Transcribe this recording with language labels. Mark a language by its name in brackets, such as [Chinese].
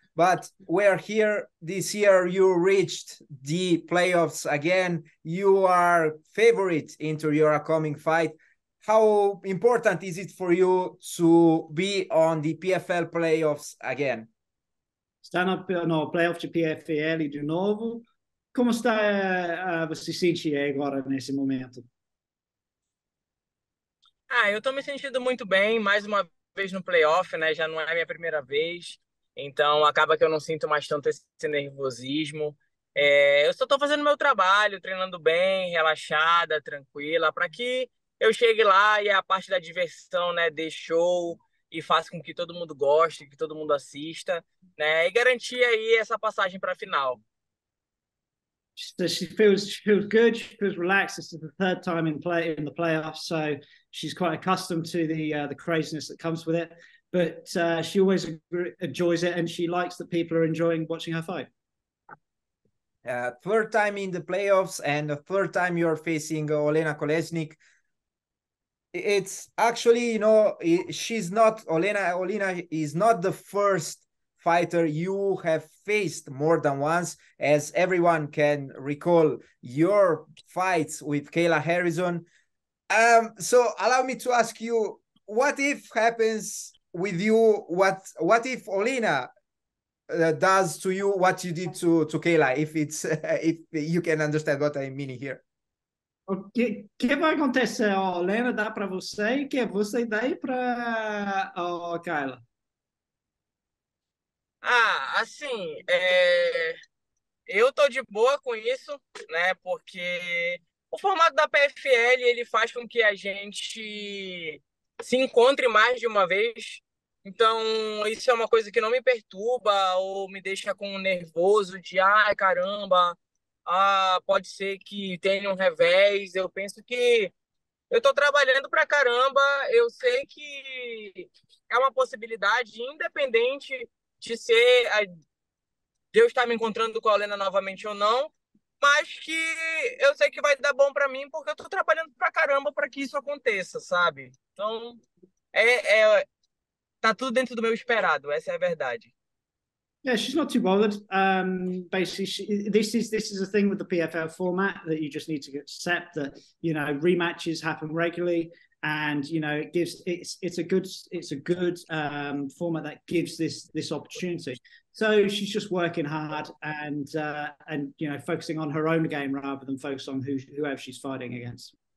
[English] But we are here this year. You reached the playoffs again. You are favorite into your upcoming fight. How important is it for you to be on the PFL playoffs again? Stand up, no, playoff to PFL [Portuguese] de novo. Como está você se sente agora nesse momento? Ah, eu estou me sentindo muito bem. Mais uma vez no playoff, né? Já não é a minha primeira vez. Então, acaba que eu não sinto mais tanto esse nervosismo. É, eu só estou fazendo meu trabalho, treinando bem, relaxada, tranquila, para que eu chegue lá e a parte da diversão, né, dê show e faça com que todo mundo goste, que todo mundo assista, né, e garantir aí essa passagem para a final. [English] So she feels good, she feels relaxed. This is the third time in the playoffs, so she's quite accustomed to the craziness that comes with it. But she always enjoys it, and she likes that people are enjoying watching her fight. Third time in the playoffs, and the third time you're facing Olena Kolesnyk. It's actually, you know, she's not, Olena is not the first fighter you have faced more than once, as everyone can recall your fights with Kayla Harrison. So allow me to ask you, what if happens with you, what if Olena does to you what you did to Kayla, if you can understand what I mean here. [Portuguese] Que vai acontecer, Olena dá para você, que você dá para Kayla? Ah, assim, eu tô de boa com isso, né, porque o formato da PFL, ele faz com que a gente se encontre mais de uma vez. Então, isso é uma coisa que não me perturba ou me deixa com nervoso de, ai, caramba, ah, pode ser que tenha um revés. Eu penso que eu estou trabalhando pra caramba. Eu sei que é uma possibilidade, independente de ser de eu estar me encontrando com a Olena novamente ou não, mas que eu sei que vai dar bom pra mim, porque eu estou trabalhando pra caramba para que isso aconteça, sabe? Então, tá tudo dentro do meu esperado, essa é a verdade. [English] Yeah, she's not too bothered. Basically, this is a thing with the PFL format that you just need to accept that, you know, rematches happen regularly, and you know it's a good format that gives this opportunity. So she's just working hard and you know, focusing on her own game rather than focus on whoever she's fighting against.